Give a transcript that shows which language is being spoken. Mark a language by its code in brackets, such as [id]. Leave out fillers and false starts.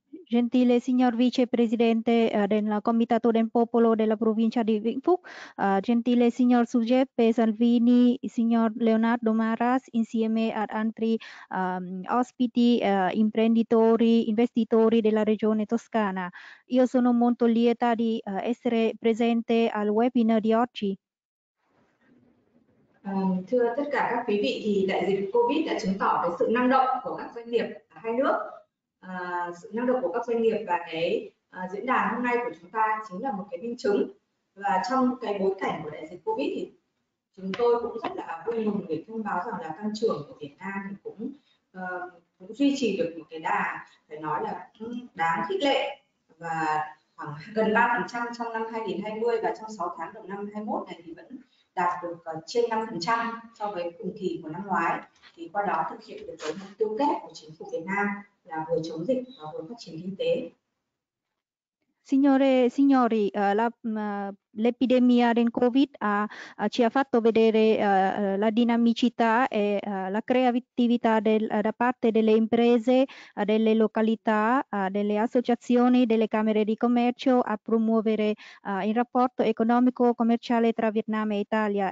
[it] Gentile signor vicepresidente del Comitato del Popolo della provincia di Vĩnh Phúc, gentile signor Giuseppe Salvini, signor Leonardo Maras, insieme ad altri ospiti, imprenditori, investitori della regione Toscana. Io sono molto lieta di essere presente al webinar di oggi. [vi] Thưa tất cả các quý vị, thì đại dịch COVID đã chứng tỏ cái sự năng động của các doanh nghiệp hai nước, sự năng động của các doanh nghiệp, và cái diễn đàn hôm nay của chúng ta chính là một cái minh chứng. Và trong cái bối cảnh của đại dịch COVID thì chúng tôi cũng rất là vui mừng để thông báo rằng là tăng trưởng của Việt Nam thì cũng cũng duy trì được một cái đà phải nói là đáng khích lệ, và khoảng gần 3% trong năm 2020, và trong 6 tháng đầu năm 2021 này thì vẫn đạt được trên 5% so với cùng kỳ của năm ngoái, thì qua đó thực hiện được cái mục tiêu kép của chính phủ Việt Nam là vừa chống dịch và vừa phát triển kinh tế. [it] Signore e signori, l'epidemia del Covid ci ha fatto vedere la dinamicità e la creatività da parte delle imprese, delle località, delle associazioni, delle camere di commercio a promuovere il rapporto economico-commerciale tra Vietnam e Italia.